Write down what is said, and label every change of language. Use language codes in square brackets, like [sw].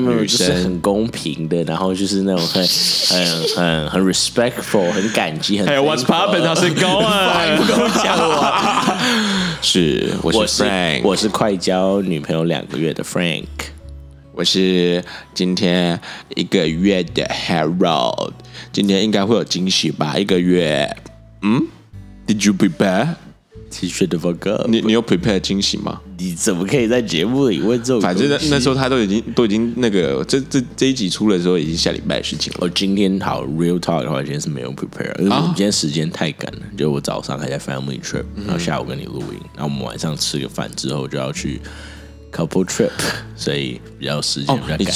[zh] 没有，就是很公平的，然后就是那种很 respectful， 很感激，很 [en] Hey What's poppin'? How's it going? [zh] 不够讲我，是我是 Frank，我是快交女朋友两个月的 Frank，我是今天一个月的 Harold， 今天应该会有惊喜吧？一个月， [en] Did you prepare? T-shirt the fuck up， [zh] 你有 prepare 惊喜吗？你怎么可以在节目里问这种？反正那时候他都已经那个这一集出的时候已经下礼拜的事情了。我今天好 [en] real talk [zh] 的话，今天是没有 prepare， 因为我今天时间太赶了。就我早上还在 family trip， 然后下午跟你录音，然后我们晚上吃个饭之后就要去 couple trip， 所以比较时间比较赶。